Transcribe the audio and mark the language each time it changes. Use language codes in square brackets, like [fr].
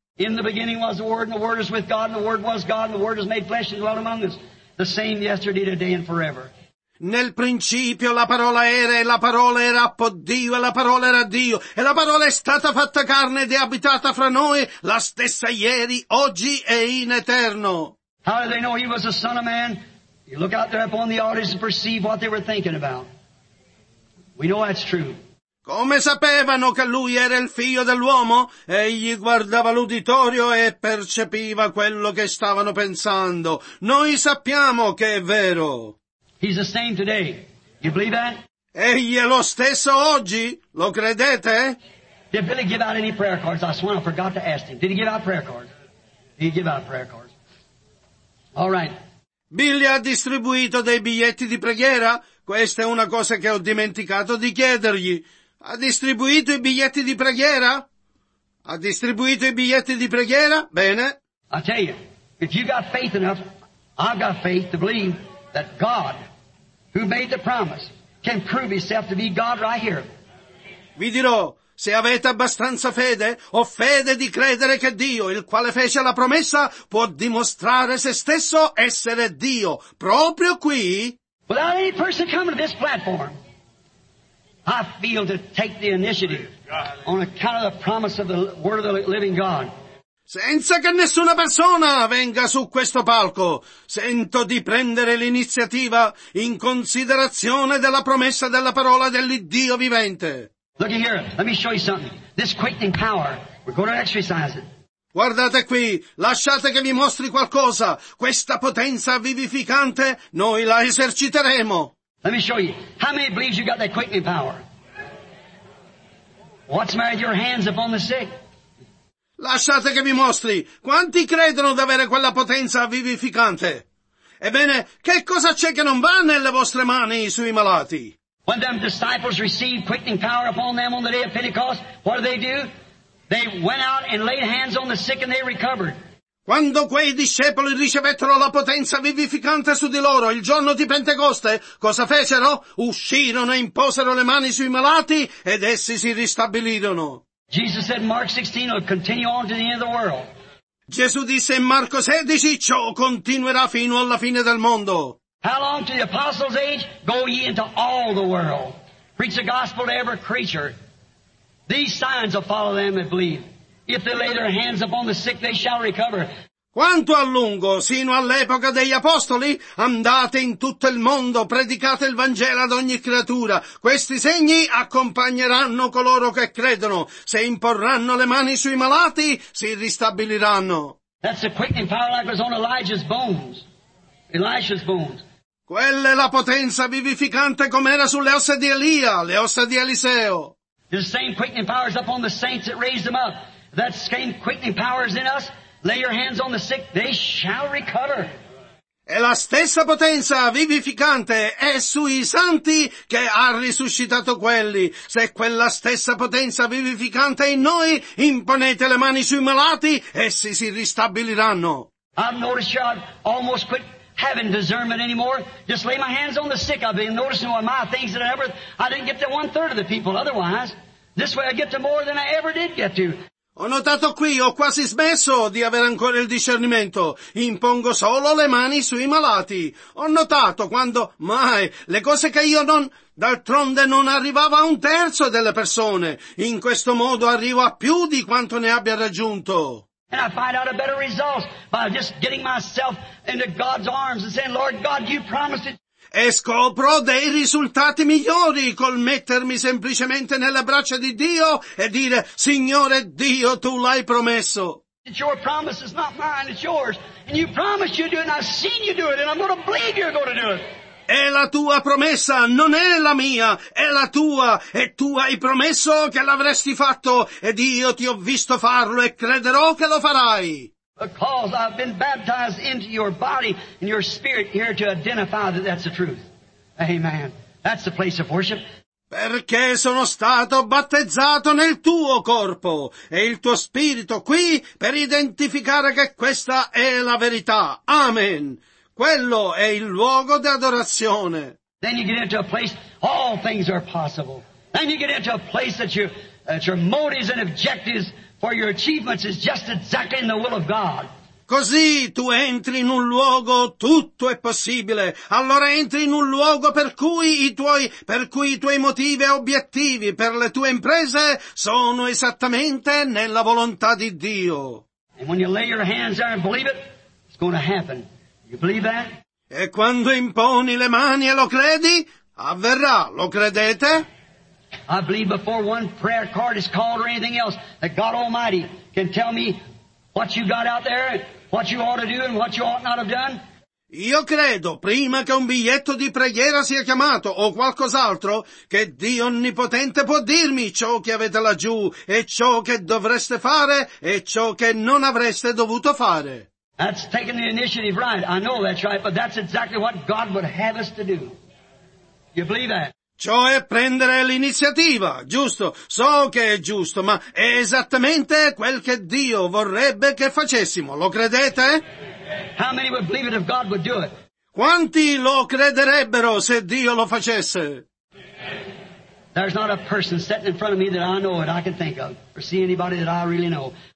[en] In the beginning was the word, and the word is with God, and the word was God, and the word is made flesh and dwelt among us. The same yesterday, today, and forever. [it] Nel principio la parola era e la parola era appo' Dio e la parola era Dio e la parola è stata fatta carne ed è abitata fra noi la stessa ieri, oggi e in eterno. [en] How do they know he was the son of man? You look out there upon the audience and perceive what they were thinking about. We know that's true. [it] Come sapevano che lui era il figlio dell'uomo? Egli guardava l'uditorio e percepiva quello che stavano pensando. Noi sappiamo che è vero. [en] He's the same today. You believe that? [it] Egli è lo stesso oggi. Lo credete? [en] Did Billy give out any prayer cards? I swear I forgot to ask him. Did he give out prayer cards? He give out prayer cards. All right. [it] Billy ha distribuito dei biglietti di preghiera? Questa è una cosa che ho dimenticato di chiedergli. Ha distribuito i biglietti di preghiera? Ha distribuito i biglietti di preghiera? Bene. [en] I tell you, if you got faith enough, I've got faith to believe that God, who made the promise, can prove himself to be God right here. [it] Vi dirò, se avete abbastanza fede, ho fede di credere che Dio, il quale fece la promessa, può dimostrare se stesso essere Dio, proprio qui. [en] Without any person coming to this platform, I feel to take the initiative on account of the promise of the Word of the Living God. [it] Senza che nessuna persona venga su questo palco, sento di prendere l'iniziativa in considerazione della promessa della parola dell'Iddio vivente. [en] Look here, let me show you something. This quickening power, we're going to exercise it. [it] Guardate qui, lasciate che vi mostri qualcosa. Questa potenza vivificante, noi la eserciteremo. [en] Let me show you. How many believe you got that quickening power? What's made your hands upon the sick? [it] Lasciate che vi mostri. Quanti credono di avere quella potenza vivificante? Ebbene, che cosa c'è che non va nelle vostre mani sui malati? [en] When them disciples received quickening power upon them on the day of Pentecost, what do? They went out and laid hands on the sick and they recovered. [it] Quando quei discepoli ricevettero la potenza vivificante su di loro il giorno di Pentecoste, cosa fecero? Uscirono e imposero le mani sui malati ed essi si ristabilirono. [en] Jesus said in Mark 16, it'll continue on to the end of the world. [it] Gesù disse in Marco 16, ciò continuerà fino alla fine del mondo. [en] How long to the apostles' age? Go ye into all the world. Preach the gospel to every creature. These signs will follow them that believe. If they lay their hands upon the sick, they shall recover. [it] Quanto a lungo, sino all'epoca degli apostoli, andate in tutto il mondo, predicate il Vangelo ad ogni creatura. Questi segni accompagneranno coloro che credono. Se imporranno le mani sui malati, si ristabiliranno. [en] That's the quickening power like was on Elijah's bones. Elisha's bones. [it] Quella è la potenza vivificante com'era sulle ossa di Elia, le ossa di Eliseo. [en] The same quickening power is upon the saints that raised them up. That same quickening power is in us. Lay your hands on the sick, they shall recover. [it] E la stessa potenza vivificante è sui santi che ha risuscitato quelli. Se quella stessa potenza vivificante è in noi, imponete le mani sui malati, essi si ristabiliranno. [en] I've noticed you, I've almost quit having discernment anymore. Just lay my hands on the sick. I've been noticing what my things that I ever, I didn't get to one third of the people otherwise. This way I get to more than I ever did get to. [it] Ho notato qui, ho quasi smesso di avere ancora il discernimento. Impongo solo le mani sui malati. Ho notato quando, mai, le cose che io non... D'altronde non arrivava a un terzo delle persone. In questo modo arrivo a più di quanto ne abbia raggiunto. [en] And I find out a better result by just getting myself into God's arms and saying, Lord God, you promised it. [it] E scopro dei risultati migliori col mettermi semplicemente nelle braccia di Dio e dire, Signore Dio, Tu l'hai promesso. [en] It's your promise, it's not mine, it's yours. And you promised you'd do it, and I've seen you do it, and I'm going to believe you're going to do it. [it] È la tua promessa, non è la mia, è la tua, e tu hai promesso che l'avresti fatto, ed io ti ho visto farlo e crederò che lo farai. [en] Because I've been baptized into your body and your spirit here to identify that that's the truth. Amen. That's the place of worship. [it] Perché sono stato battezzato nel tuo corpo e il tuo spirito qui per identificare che questa è la verità. Amen. Quello è il luogo di adorazione. [en] Then you get into a place all things are possible. Then you get into a place that you, that your motives and objectives for your achievements is just exactly in the will of God. [it] Così tu entri in un luogo, tutto è possibile. Allora entri in un luogo per cui i tuoi motivi e obiettivi per le tue imprese sono esattamente nella volontà di Dio. [en] And when you lay your hands there and believe it, it's going to happen. You believe that? [it] E quando imponi le mani e lo credi, avverrà. Lo credete? [en] I believe before one prayer card is called or anything else that God Almighty can tell me what you got out there, what you ought to do and what you ought not have done. [it] Io credo, prima che un biglietto di preghiera sia chiamato o qualcos'altro, che Dio Onnipotente può dirmi ciò che avete laggiù e ciò che dovreste fare e ciò che non avreste dovuto fare. [en] That's taking the initiative, right? I know that's right, but that's exactly what God would have us to do. You believe that? [it] Cioè prendere l'iniziativa, giusto? So che è giusto, ma è esattamente quel che Dio vorrebbe che facessimo, lo credete? [en] How many would believe it if God would do it? [it] Quanti lo crederebbero se Dio lo facesse? [en] There's not a person sitting in front of me that I know that I can think of, or see anybody that I really know.